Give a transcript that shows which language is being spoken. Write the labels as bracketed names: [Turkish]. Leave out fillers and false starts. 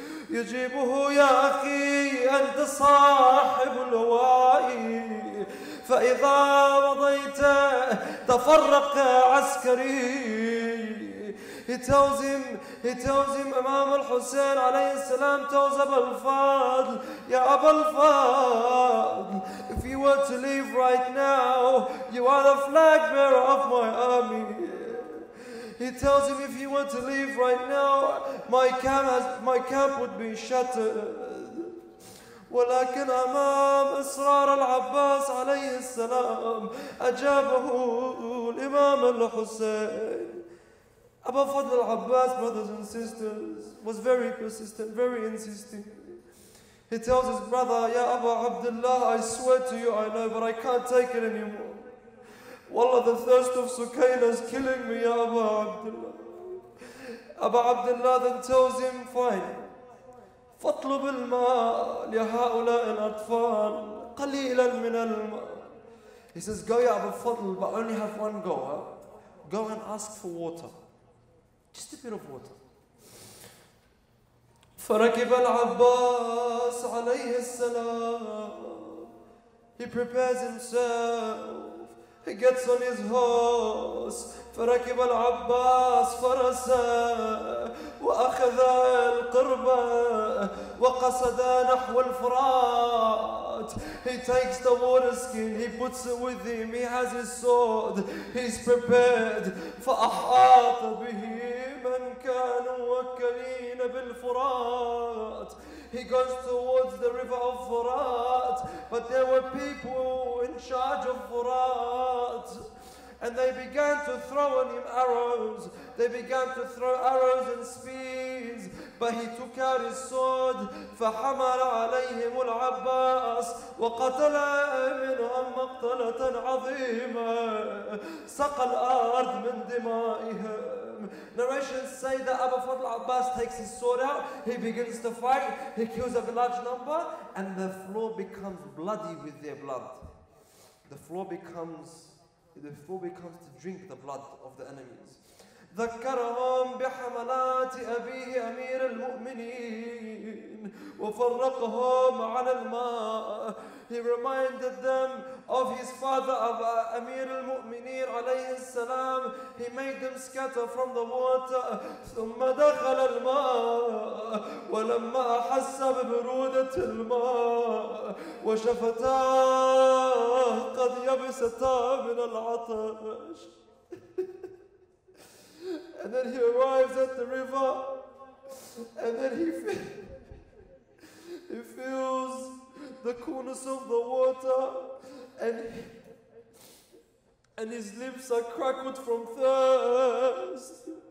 [Arabic] يجيبه, يا أخي أنت صاحب اللواء, فإذا مضيت تفرق عسكري. [English] He tells him, Imam al-Hussein alayhi salam tells Abu al-Fadl, Ya Abu al-Fadl, if you were to leave right now, you are the flag bearer of my army. He tells him, if you were to leave right now, my camp would be shattered. [Arabic] ولكن أمام إصرار العباس عليه السلام أجابه الإمام الحسين. [English] Abu Fadl al-Abbas, brothers and sisters, was very persistent, very insisting. He tells his brother, Ya Abu Abdullah, I swear to you, I know, but I can't take it anymore. Wallah, the thirst of Sukaina is killing me, Ya Abu Abdullah. Abu Abdullah then tells him, fine. [Arabic] فَطْلُبِ الْمَالِ لِهَؤُلَاءِ الْأَطْفَالِ قَلِيلًا مِنَ الْمَالِ. [English] He says, go, Ya Abu Fadl, but only have one go, huh? Go and ask for water. Just a bit of water. [Arabic] فركب العباس عليه السلام. [English] He prepares himself. He gets on his horse. [Arabic] فركب العباس فرسا وأخذ القربة وقصد نحو الفرات. [English] He takes the water skin. He puts it with him. He has his sword. He's prepared. [Arabic] فأحاط به من كانوا وكلين بالفرات. [English] He goes towards the river of Furat, but there were people in charge of Furat, and they began to throw on him arrows. They began to throw arrows and spears, but he took out his sword. [Arabic] فحمل عليهم العباس وقتل منهم مقتلة عظيمة سقى الأرض من دمائهم. [English] Narrations say that Abu Fadl Abbas takes his sword out, he begins to fight, he kills a large number, and the floor becomes bloody with their blood. The floor becomes to drink the blood of the enemies. [Arabic] ذكرهم بحملات أبيه أمير المؤمنين وفرقهم على الماء. [English] He reminded them of his father of Amir al-Mu'mineen عليه السلام. He made them scatter from the water. [Arabic] ثم دخل الماء ولما أحس ببرودة الماء وشفتاه قد يبستا من العطش. [English] And then he arrives at the river, and then he feels the coolness of the water, and his lips are crackled from thirst.